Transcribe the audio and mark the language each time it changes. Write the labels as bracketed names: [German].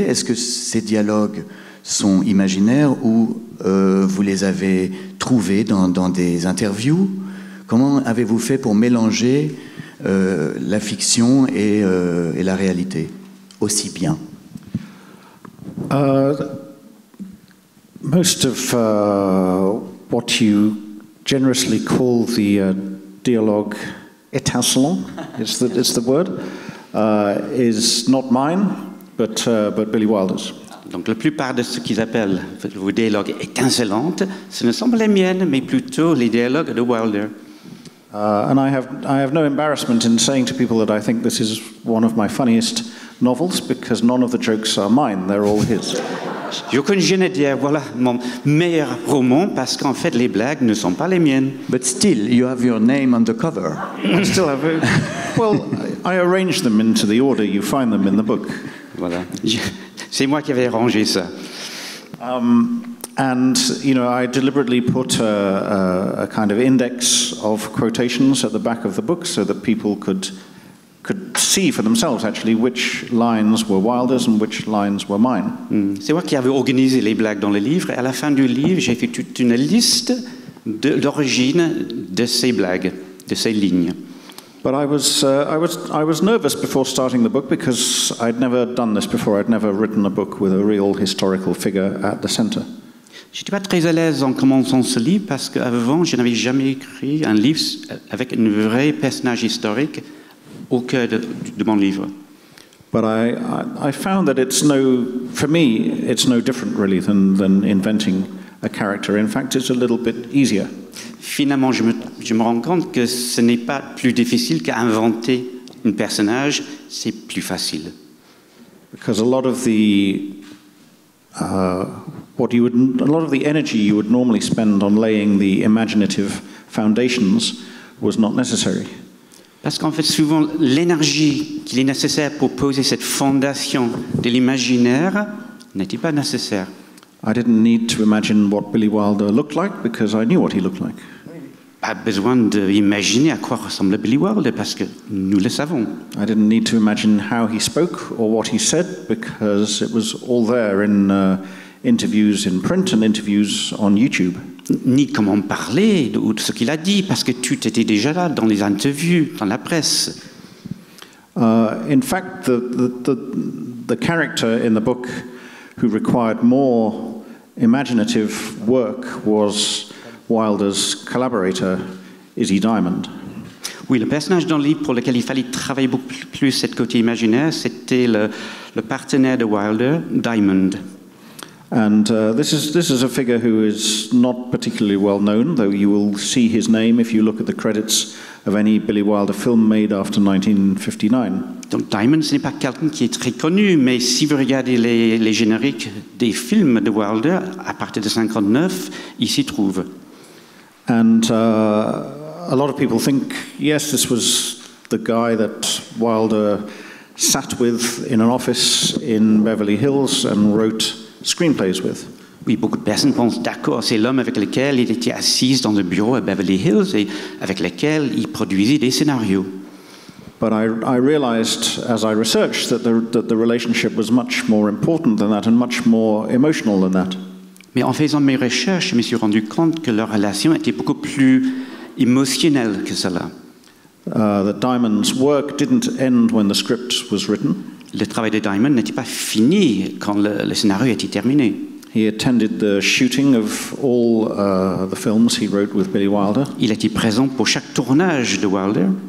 [French] Est-ce que ces dialogues sont imaginaires ou vous les avez trouvés dans des interviews? Comment avez-vous fait pour mélanger la fiction et la réalité aussi bien? [English] Most of what you generously call the dialogue étincelant, it's the word, is not mine, but Billy Wilder's. [French] Donc la plupart de ce qu'ils appellent vos dialogues étincelantes, ce ne sont pas les miennes, mais plutôt les dialogues de Wilder. [English] And I have no embarrassment in saying to people that I think this is one of my funniest novels, because none of the jokes are mine, they're all his. [French] J'ai aucune gêne à dire, voilà mon meilleur roman, parce qu'en fait les blagues ne sont pas les miennes. [English] But still, you have your name on the cover. I still have it. Well, I arrange them into the order you find them in the book. [French] Voilà. C'est moi qui avais rangé ça. [English] And you know, I deliberately put a kind of index of quotations at the back of the book so that people could see for themselves actually which lines were Wilder's and which lines were mine. [French] C'est moi qui avais organisé les blagues dans le livre. À la fin du livre, j'ai fait toute une liste de l'origine de ces blagues, de ces lignes. [English] But I was nervous before starting the book because I'd never done this before. I'd never written a book with a real historical figure at the center. [French] J'étais pas très à l'aise en commençant ce livre parce qu'avant je n'avais jamais écrit un livre avec un vrai personnage historique au cœur de mon livre. [English] But I found that it's no, for me, it's no different really than inventing a character. In fact, it's a little bit easier. [French] Finalement, je me rends compte que ce n'est pas plus difficile qu'inventer un personnage, c'est plus facile. [English] Because a lot of the energy you would normally spend on laying the imaginative foundations was not necessary. [French] Parce qu'en fait, souvent, l'énergie qu'il est nécessaire pour poser cette fondation de l'imaginaire n'était pas nécessaire. [English] I didn't need to imagine what Billy Wilder looked like because I knew what he looked like. [French] Pas besoin d'imaginer à quoi ressemblait Billy Wilder parce que nous le savons. [English] I didn't need to imagine how he spoke or what he said because it was all there in interviews in print and interviews on YouTube. [French] Ni comment parler ou de ce qu'il a dit parce que tout était déjà là dans les interviews, dans la presse. [English] In fact, the character in the book who required more imaginative work was Wilder's collaborator, Izzy Diamond. [French] Oui, le personnage dans le livre pour lequel il fallait travailler beaucoup plus cet côté imaginaire, c'était le partenaire de Wilder, Diamond. [English] And this is a figure who is not particularly well known, though you will see his name if you look at the credits of any Billy Wilder film made after 1959. [French] Donc Diamond, ce n'est pas quelqu'un qui est très connu, mais si vous regardez les génériques des films de Wilder à partir de 59, il s'y trouve. [English] And a lot of people think, yes, this was the guy that Wilder sat with in an office in Beverly Hills and wrote screenplays with. [French] Oui, beaucoup de personnes pensent, d'accord, c'est l'homme avec lequel il était assis dans le bureau à Beverly Hills et avec lequel il produisait des scénarios. [English] But I realized as I researched that the relationship was much more important than that and much more emotional than that. [French] Mais en faisant mes recherches, je me suis rendu compte que leur relation était beaucoup plus émotionnelle que cela. [English] That Diamond's work didn't end when the script was written. [French] Le travail de Diamond n'était pas fini quand le scénario était terminé. [English] He attended the shooting of all the films he wrote with Billy Wilder. [French] Il était présent pour chaque tournage de Wilder.